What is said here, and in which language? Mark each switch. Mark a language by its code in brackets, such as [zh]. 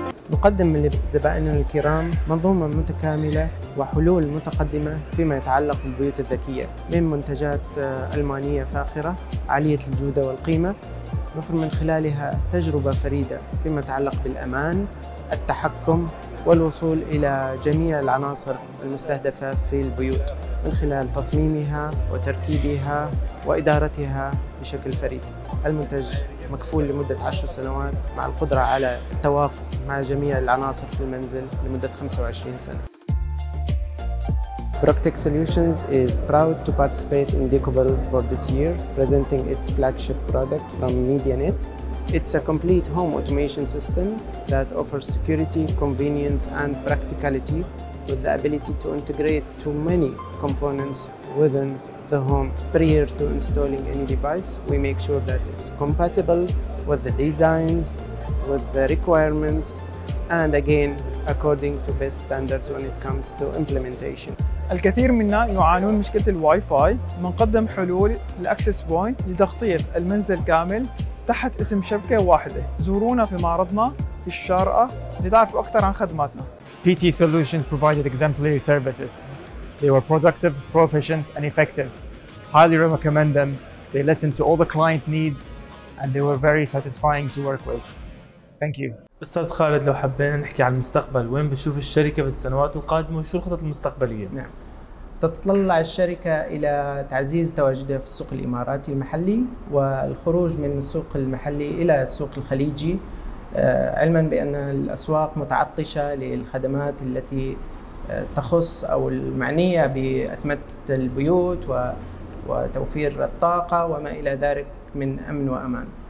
[ar] نقدم لزبائننا الكرام منظومة متكاملة وحلول متقدمة فيما يتعلق بالبيوت الذكية من منتجات ألمانية فاخرة عالية الجودة والقيمة، نفر من خلالها تجربة فريدة فيما يتعلق بالأمان، التحكم والوصول إلى جميع العناصر المستهدفة في البيوت من خلال تصميمها وتركيبها وإدارتها بشكل فريد. المنتج مكفول لمدة 10 سنوات مع القدرة على التوافق مع جميع العناصر في المنزل لمدة 25 سنة. [en] Bruktek Solutions is proud to participate in Decobuild for this year, presenting its flagship product from MediaNet. It's a complete home automation system that offers security, convenience and practicality with the ability to integrate too many components within the home. Prior to installing any device, we make sure that it's compatible with the designs, with the requirements, and again, according to best standards when it comes to implementation. [ar] الكثير منا يعانون مشكلة الواي فاي، منقدم حلول الأكسس بوينت لتغطية المنزل كامل تحت اسم شبكة واحدة. زورونا في معرضنا في الشارقة لتعرفوا أكثر عن خدماتنا. [en] PT Solutions provided exemplary services. They were productive, proficient and effective. Highly recommend them. They listened to all the client needs and they were very satisfying to work with. Thank you. [ar] أستاذ خالد، لو حبينا نحكي عن المستقبل، وين بشوف الشركة بالسنوات القادمة وشو الخطط المستقبلية؟ نعم، تتطلع الشركة إلى تعزيز تواجدها في السوق الإماراتي المحلي والخروج من السوق المحلي إلى السوق الخليجي، علما بأن الأسواق متعطشة للخدمات التي تخص أو المعنية بأتمتة البيوت وتوفير الطاقة وما إلى ذلك من أمن وأمان.